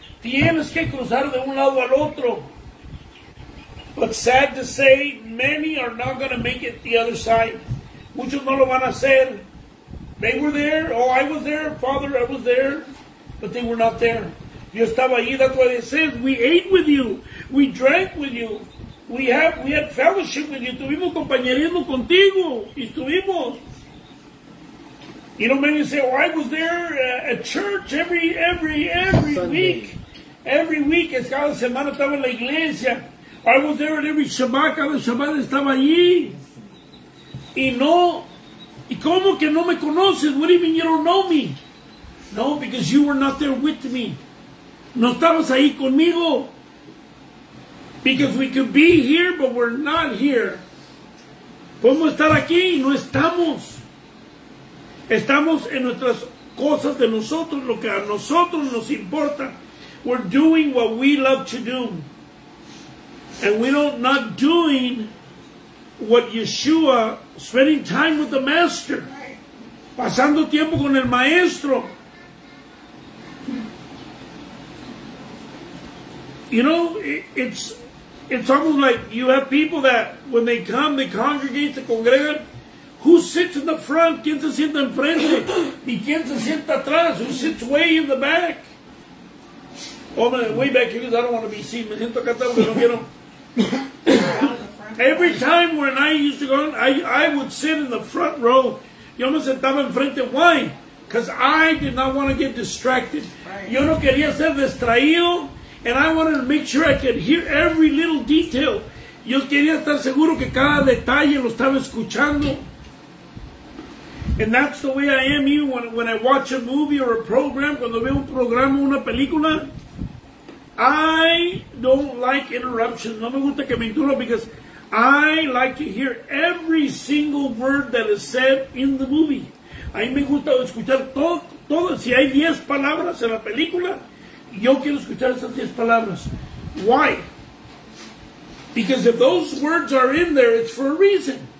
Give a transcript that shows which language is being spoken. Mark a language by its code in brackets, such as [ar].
[es] Tienes que cruzar de un lado al otro. [en] But sad to say, many are not going to make it the other side. [es] Muchos no lo van a hacer. [en] They were there. Oh, I was there. Father, I was there. But they were not there. [es] Yo estaba allí. [en] That's what it says. We ate with you. We drank with you. We had fellowship with you. [es] Tuvimos compañerismo contigo. Y estuvimos. [en] You know, many say, oh, I was there at church every Sunday. Week. Every week, [es] cada semana estaba en la iglesia. [en] I was there at every Shabbat. [es] Cada Shabbat estaba allí. Y no, ¿y cómo que no me conoces? [en] What do you mean you don't know me? No, because you were not there with me. [es] No estabas ahí conmigo. [en] Because we could be here, but we're not here. [es] ¿Cómo estar aquí? No estamos. Estamos en nuestras cosas de nosotros, lo que a nosotros nos importa. [en] We're doing what we love to do. And we're not doing what Yeshua, spending time with the Master. [es] Pasando tiempo con el Maestro. [en] You know, it's almost like you have people that when they come, they congregate, they congregate. Who sits in the front? [es] ¿Quién se sienta enfrente? ¿Y quién se sienta atrás? [en] Who sits way in the back? Oh, man, way back here, because I don't want to be seen. [es] Me siento acá atrás, no quiero. [en] Every time when I used to go, I would sit in the front row. [es] Yo me sentaba enfrente. [en] Why? Because I did not want to get distracted. [es] Yo no quería ser distraído. [en] And I wanted to make sure I could hear every little detail. [es] Yo quería estar seguro que cada detalle lo estaba escuchando. [en] And that's the way I am even when I watch a movie or a program. [es] Cuando veo un programa o una película, [en] I don't like interruptions. [es] No me gusta que me interrumpa, [en] because I like to hear every single word that is said in the movie. [es] A mí me gusta escuchar todo. Si hay 10 palabras en la película, yo quiero escuchar esas 10 palabras. [en] Why? Because if those words are in there, it's for a reason.